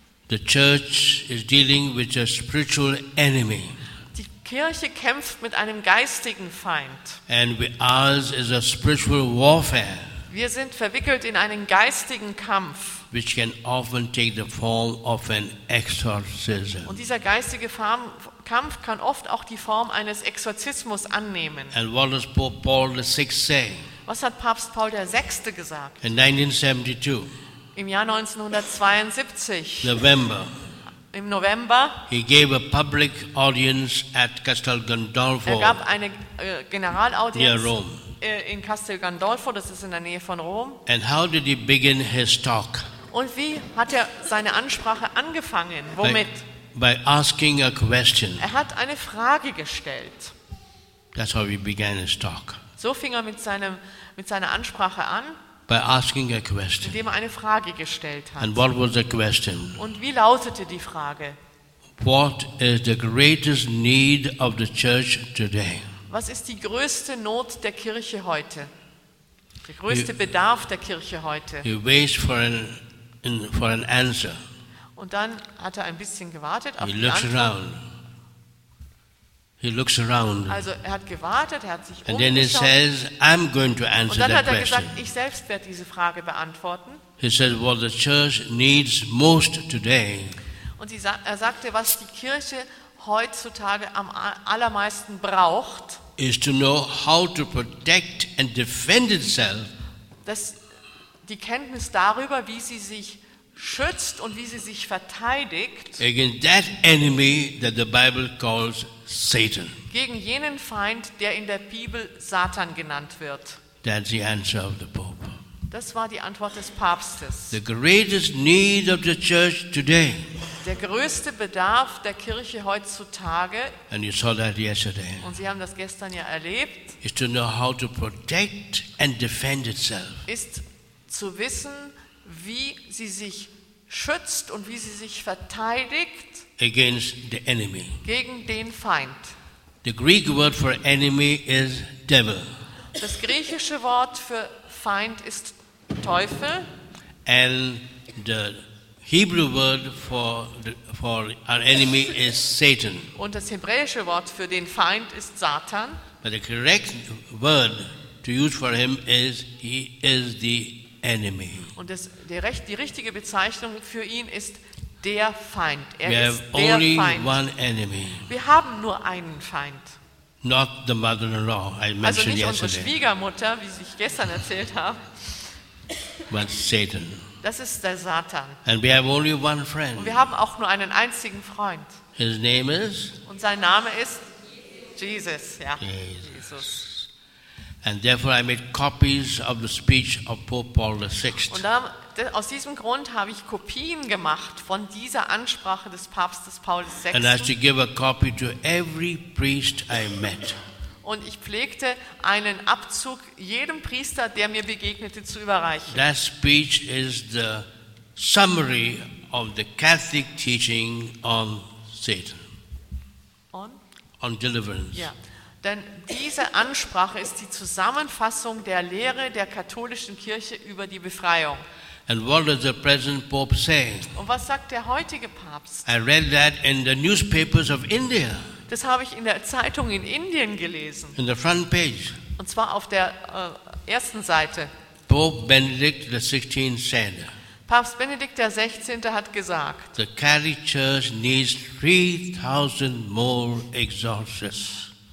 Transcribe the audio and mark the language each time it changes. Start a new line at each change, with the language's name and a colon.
English: The church is dealing with a spiritual enemy.
German: Die Kirche kämpft mit einem geistigen Feind.
English: And ours is a spiritual warfare.
German: Wir sind verwickelt in einen geistigen Kampf.
English: Which can often take the form of an exorcism.
German: Und dieser geistige Kampf kann oft auch die Form eines Exorzismus annehmen.
English: And what does Pope Paul VI say?
German: Was hat Papst Paul VI gesagt?
English: In 1972.
German: Im Jahr 1972.
English: November.
German: Im November,
English: he gave a public audience at Castel Gandolfo.
German: Er gab eine Generalaudienz
English: near Rome.
German: In Castel Gandolfo, das ist in der Nähe von Rom.
English: And how did he begin his talk?
German: Und wie hat seine Ansprache angefangen? Womit?
English: By asking a question.
German: Er hat eine Frage gestellt.
English: That's how he began his talk.
German: So fing mit seiner Ansprache an.
English: By asking a question.
German: Indem er eine Frage gestellt hat.
English: And what was the question?
German: Und wie lautete die Frage?
English: What is the greatest need of the church today?
German: Was ist die größte Not der Kirche heute? Der größte Bedarf der Kirche heute?
English: He waited for an answer.
German: Und dann hat er ein bisschen gewartet auf die Antwort.
English: He looks around.
German: Also er hat gewartet, er hat sich
English: and then he says, I'm going to answer that
German: Und dann hat er gesagt, ich selbst werde diese Frage beantworten.
English: He says, what the church needs most today.
German: Und er sagte, was die Kirche heutzutage am allermeisten braucht,
English: is to know how to protect and defend itself.
German: Das die Kenntnis darüber, wie sie sich schützt und wie sie sich verteidigt.
English: Against that enemy that the Bible calls Satan.
German: Gegen jenen Feind, der in der Bibel Satan genannt wird.
English: That's the answer of the Pope.
German: Das war die Antwort des Papstes.
English: The greatest need of the church today.
German: Der größte Bedarf der Kirche heutzutage.
English: And you saw that yesterday.
German: Und Sie haben das gestern ja erlebt.
English: Is to know how to protect and defend itself.
German: Ist zu wissen, wie sie sich schützt und wie sie sich verteidigt
English: against the enemy.
German: Gegen den Feind.
English: The Greek word for enemy is devil.
German: Das griechische Wort für Feind ist Teufel.
English: And the Hebrew word for our enemy is Satan.
German: Und das hebräische Wort für den Feind ist Satan.
English: But the correct word to use for him is he is the enemy.
German: Und die richtige Bezeichnung für ihn ist der Feind. Er
English: We
German: ist
English: have
German: der
English: only
German: Feind.
English: One enemy.
German: Wir haben nur einen Feind.
English: Not the mother-in-law, I
German: also nicht
English: yesterday.
German: Unsere Schwiegermutter, wie ich gestern erzählt habe.
English: But Satan.
German: Das ist der Satan.
English: And we have only one friend.
German: Und wir haben auch nur einen einzigen Freund.
English: His name is?
German: Und sein Name ist Jesus. Ja.
English: Jesus. And therefore I made copies of the speech of Pope Paul VI.
German: Und aus diesem Grund habe ich Kopien gemacht von dieser Ansprache des Papstes Paulus VI.
English: And I had to give a copy to every priest I met.
German: Und ich pflegte einen Abzug jedem Priester, der mir begegnete, zu überreichen.
English: That speech is the summary of the Catholic teaching on Satan. On deliverance. Yeah.
German: Denn diese Ansprache ist die Zusammenfassung der Lehre der katholischen Kirche über die Befreiung.
English: And what does the present Pope say?
German: Und was sagt der heutige Papst?
English: I read that in the newspapers of India.
German: Das habe ich in der Zeitung in Indien gelesen.
English: In the front page.
German: Und zwar auf der ersten Seite.
English: Pope Benedict the 16th said.
German: Papst Benedikt der 16. hat gesagt.
English: The Catholic Church needs 3,000 more exorcists.